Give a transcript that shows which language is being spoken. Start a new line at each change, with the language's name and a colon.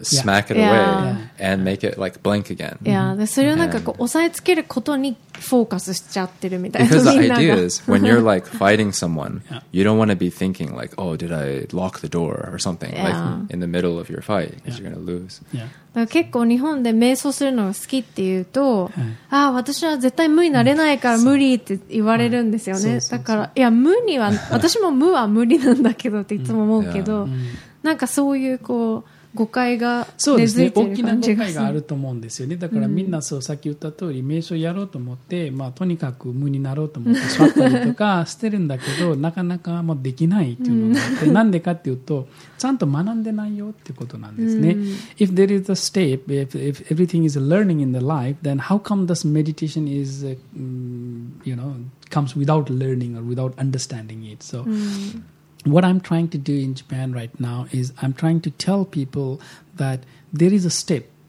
English: Smack it away and make it like blank again. Because the idea is when you're like fighting someone, you don't want to be thinking like, oh, did I lock the door or something like in the middle of your fight because you're going to lose.
Japanese: だから結構日本で瞑想するのが好きっていうと、ああ私は絶対無になれないから無理って言われるんですよね。だからいや無には私も無は無理なんだけどっていつも思うけど、なんかそういうこう誤解が根付いている感じがする。大きな誤解があると思うんですよね。だからみんなそう、さっき言った通り瞑想やろうと思って、まあ、とにかく無になろうと思って座ったりとかしてるんだけどなかなかもうできないっていうのがあって、なんでかっていうとちゃんと学んでないよっていうことなんですね。
English: If there is a step, if everything is learning in the life, then how come this meditation is, you know, comes without learning or without understanding it? So what I'm trying to do in Japan right now is I'm trying to tell people that there is a step.